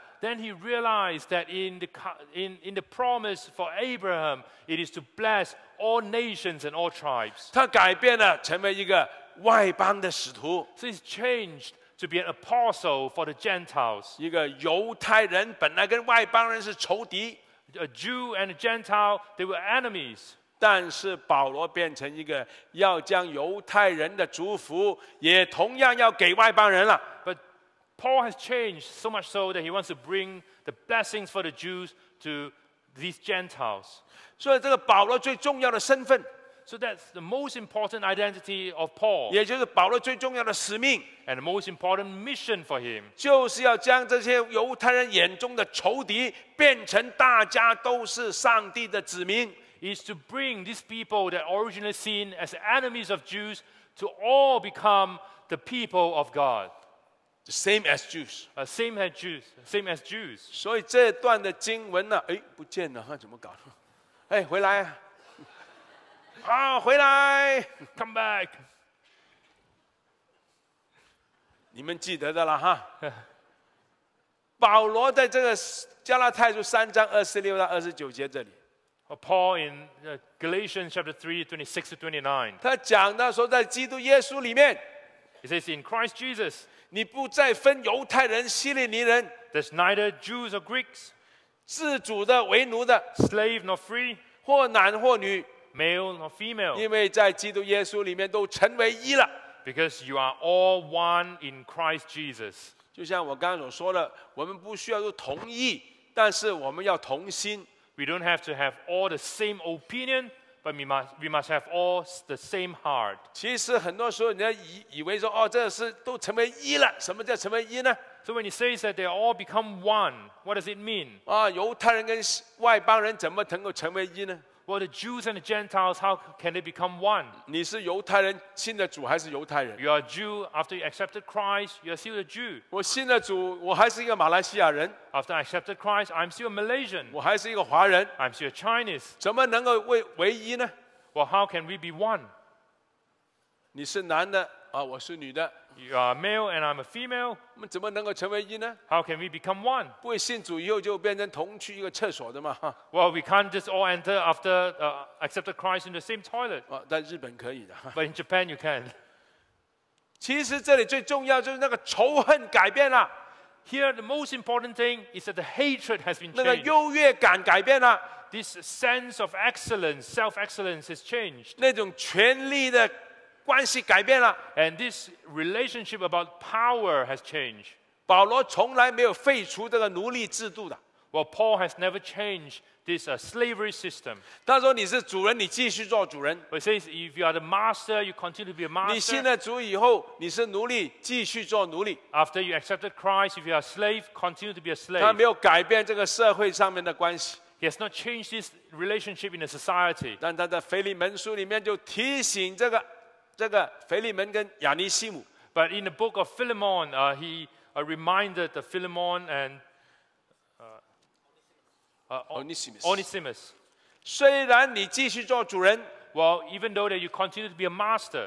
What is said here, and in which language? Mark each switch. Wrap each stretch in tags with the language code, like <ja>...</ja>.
<en>Then he realized that in the promise for Abraham, it is to bless all nations and all tribes.</en> <zh>他改变了，成为一个外邦的使徒。</zh> <en>So he's changed to be an apostle for the Gentiles.</en> <zh>一个犹太人本来跟外邦人是仇敌。</zh> <en>A Jew and a Gentile, they were enemies.</en> <zh>但是保罗变成一个要将犹太人的祝福也同样要给外邦人了。</zh> <en>But Paul has changed so much so that he wants to bring the blessings for the Jews to these Gentiles.</en> <zh>所以这个保罗最重要的身份。</zh> <en>So that's the most important identity of Paul.</en> <zh>也就是保罗最重要的使命。</zh> <en>And the most important mission for him.</en> <zh>就是要将这些犹太人眼中的仇敌变成大家都是上帝的子民。</zh> <en>Is to bring these people that originally seen as enemies of Jews to all become the people of God. The same as Jews. Same as Jews.</en> <zh>所以这段的经文呢、啊，哎，不见了，怎么搞的？哎，回来、啊。啊，回来</zh> <en>，come back。</en> <zh>你们记得的了哈。保罗在这个加拉太书三章二十六到二十九节这里。</zh> <en>Paul in Galatians chapter 3:26-29。</en> <zh>他讲到说，在基督耶稣里面</zh> <en>，He says in Christ Jesus，</en> <zh>你不再分犹太人、希利尼人</zh> <en>，There's neither Jews or Greeks，</en> <zh>自主的为奴的</zh> <en>，slave nor free，</en> <zh>或男或女。</zh> <en>Male or female,</en> <zh>因为在基督耶稣里面都成为一了。</zh> <en>Because you are all one in Christ Jesus.</en> <zh>就像我刚才所说的，我们不需要都同意，但是我们要同心。</zh> <en>We don't have to have all the same opinion, but we must have all the same heart.</en> <zh>其实很多时候，你要以为说，哦，这是都成为一了。什么叫成为一呢？</zh> <en>So when he says that they all become one, what does it mean?</en> <zh>啊，犹太人跟外邦人怎么能够成为一呢？</zh> <en>Well, the Jews and the Gentiles, how can they become one?</en> <zh>你是犹太人，信了主还是犹太人？</zh> <en>You are a Jew after you accepted Christ. You are still a Jew.</en> <zh>我信了主，我还是一个马来西亚人。</zh> <en>After I accepted Christ, I'm still a Malaysian.</en> <zh>我还是一个华人。</zh> <en>I'm still a Chinese.</en> <zh>怎么能够唯一呢？</zh> <en>Well, how can we be one?</en> <zh>你是男的啊，我是女的。</zh> <en>You are male and I'm a female.</en> <zh>我们怎么能够成为一呢？</zh> <en>How can we become one?</en> <zh>不会信主以后就变成同去一个厕所的嘛？</zh> <en>Well, we can't just all enter after accepting Christ in the same toilet.</en> <zh>但日本可以的。</zh> <en>But in Japan, you can.</en> <zh>其实这里最重要就是那个仇恨改变了。</zh> <en>Here, the most important thing is that the hatred has been changed.</en> <zh>那个优越感改变了。</zh> <en>This sense of excellence, self-excellence has changed.</en> <zh>那种权力的关系改变了。</zh> <en>And this relationship about power has changed.</en> <zh>保罗从来没有废除这个奴隶制度的。</zh> <en>Well, Paul has never changed this slavery system.</en> <zh>他说你是主人，你继续做主人。</zh> <en>He says, if you are the master, you continue to be a master.</en> <zh>你信了主以后，你是奴隶，继续做奴隶。</zh> <en>After you accepted Christ, if you are a slave, continue to be a slave.</en> <zh>他没有改变这个社会上面的关系。</zh> <en>He has not changed this relationship in the society.</en> <zh>但他在腓利门书里面就提醒这个腓利门跟亚尼西姆。</zh> <en>But in the book of Philemon, he reminded the Philemon and Onesimus. Onesimus.</en> <zh>虽然你继续做主人，</zh> <en>Well, even though that you continue to be a master,</en>